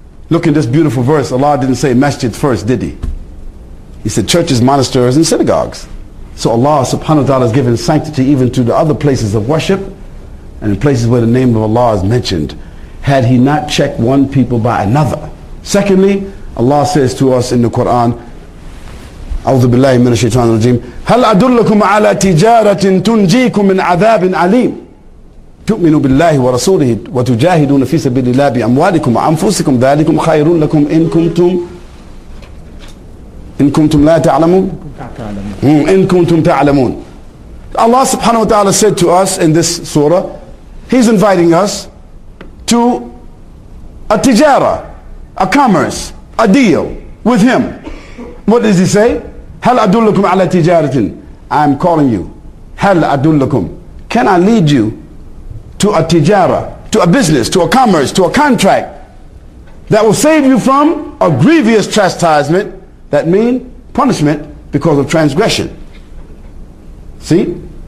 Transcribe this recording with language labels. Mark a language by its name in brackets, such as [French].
[English] Look in this beautiful verse. Allah didn't say masjid first, did He? He said churches, monasteries, and synagogues. So Allah subhanahu wa ta'ala has given sanctity even to the other places of worship and in places where the name of Allah is mentioned, had He not checked one people by another. Secondly, Allah says to us in the Quran, [Arabic] أَوْذُ بِاللَّهِ مِنَ الشَّيْطَانِ الرَّجِيمِ هَلْ أَدُلُّكُمْ عَلَىٰ تِجَارَةٍ تُنْجِيكُمْ مِنْ عَذَابٍ عَلِيمٍ تُؤْمِنُوا بِاللَّهِ وَرَسُولِهِ وَتُجَاهِدُونَ فِي سَبِيلِ اللَّهِ بِأَمْوَالِكُمْ وَأَنفُسِكُمْ ذَلِكُمْ خَيْرٌ لَكُمْ إِن كُنْتُمْ لَا تَعْلَمُونَ إِن كُنْتُمْ تَعْلَمُونَ. [English] Allah subhanahu wa ta'ala said to us in this surah, He's inviting us to a tijara, a commerce, a deal with Him. What does He say? [Arabic] هَلْ أَدُلُّكُمْ عَلَى تِجَارَةٍ [English] I'm calling you. [Arabic] هَلْ أَدُلُّكُمْ [English] Can I lead you to a tijara, to a business, to a commerce, to a contract that will save you from a grievous chastisement, that means punishment because of transgression. See?